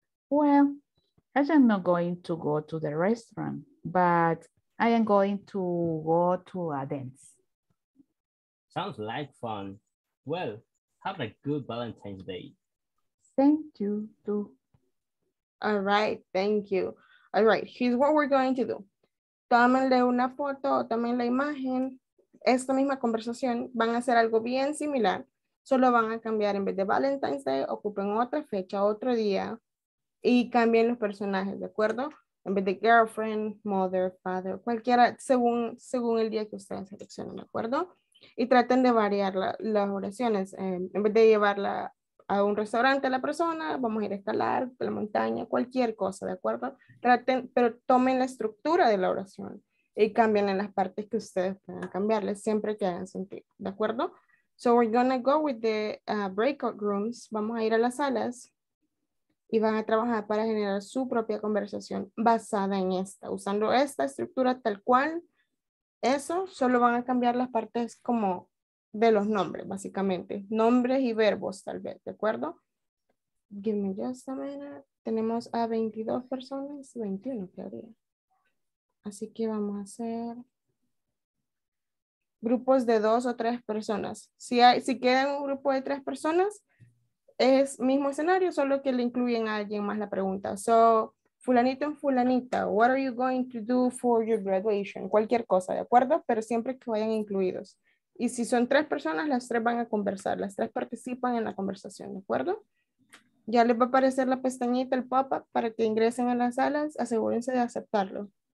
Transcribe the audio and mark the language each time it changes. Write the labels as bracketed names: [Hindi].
[English] Well, I'm not going to go to the restaurant, but I am going to go to a dance. Sounds like fun. Well, have a good Valentine's Day. Thank you, too. All right, thank you. All right, here's what we're going to do. [Spanish] Tómenle una foto, tomen la imagen. Esta misma conversación, van a hacer algo bien similar. Solo van a cambiar, en vez de Valentine's Day, ocupen otra fecha, otro día. Y cambien los personajes, ¿de acuerdo? En vez de girlfriend, mother, father, cualquiera, según el día que ustedes seleccionen, ¿de acuerdo? Y traten de variar las oraciones. En vez de llevarla a un restaurante a la persona, vamos a ir a escalar, a la montaña, cualquier cosa, ¿de acuerdo? Traten, pero tomen la estructura de la oración y cambien en las partes que ustedes puedan cambiarle siempre que hagan sentido, ¿de acuerdo? [English] So we're gonna go with the breakout rooms. [Spanish] Vamos a ir a las salas y van a trabajar para generar su propia conversación basada en esta, usando esta estructura tal cual. Eso solo van a cambiar las partes como de los nombres, básicamente. Nombres y verbos, tal vez, ¿de acuerdo? [English] Give me just a minute. [Spanish] Tenemos a 22 personas, 21 todavía. Así que vamos a hacer grupos de dos o tres personas. Si queda un grupo de tres personas, es mismo escenario, solo que le incluyen a alguien más la pregunta. [English] So, Fulanito en fulanita, what are you going to do for your graduation? [Spanish] Cualquier cosa, ¿de acuerdo? Pero siempre que vayan incluidos. Y si son tres personas, las tres van a conversar. Las tres participan en la conversación, ¿de acuerdo? Ya les va a aparecer la pestañita, el pop-up, para que ingresen a las salas. Asegúrense de aceptarlo.